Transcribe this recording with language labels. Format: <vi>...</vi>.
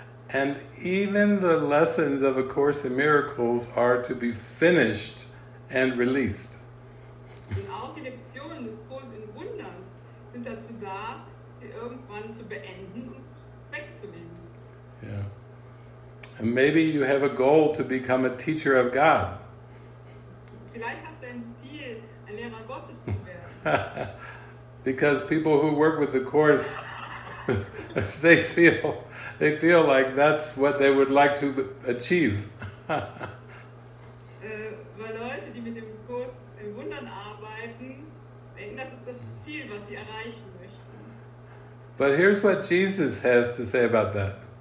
<en>And even the lessons of A Course in Miracles are to be finished and released.</en> <de>Und auch die Lektionen des Kurses in Wundern sind dazu da, sie irgendwann zu beenden und wegzunehmen. Yeah.</de> <en>And maybe you have a goal to become a teacher of God.</en> <de>Vielleicht hast du ein Ziel, ein Lehrer Gottes zu werden.</de> <en>Because people who work with the Course, they feel like that's what they would like to achieve.</en> <de>Weil Leute, die mit dem Kurs im Wundern arbeiten, denken, das ist das Ziel, was sie erreichen möchten.</de> <en>But here's what Jesus has to say about that.</en>